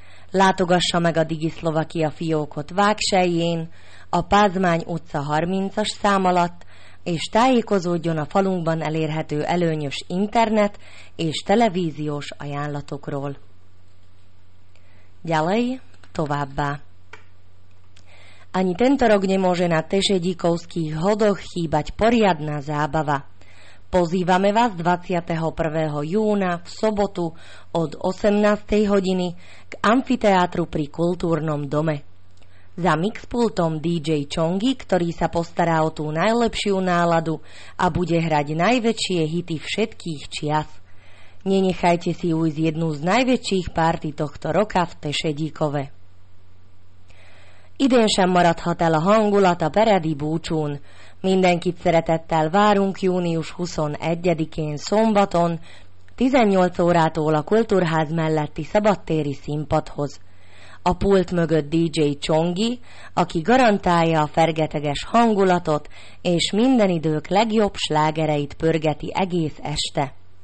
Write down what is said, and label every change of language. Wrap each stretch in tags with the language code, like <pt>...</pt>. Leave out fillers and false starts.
<hu>Látogassa meg a Digi Slovakia fiókot Vágsejjén, a Pázmány utca 30-as szám alatt, és tájékozódjon a falunkban elérhető előnyös internet és televíziós ajánlatokról.</hu> <sk>Ďalej továbbá. Ani tento rok nemôže na Tešedíkovských hodoch chýbať poriadna zábava. Pozývame vás 21. júna v sobotu od 18. hodiny k amfiteátru pri Kultúrnom dome. Za mixpultom DJ Chongi, ktorý sa postará o tú najlepšiu náladu a bude hrať najväčšie hity všetkých čias. Nenechajte si ujsť jednu z najväčších párty tohto roka v Tešedíkove.</sk> <hu>Idén sem maradhat el a hangulat a peredi búcsún. Mindenkit szeretettel várunk június 21-én szombaton, 18 órától a Kultúrház melletti szabadtéri színpadhoz. A pult mögött DJ Csongi, aki garantálja a fergeteges hangulatot, és minden idők legjobb slágereit pörgeti egész este.</hu>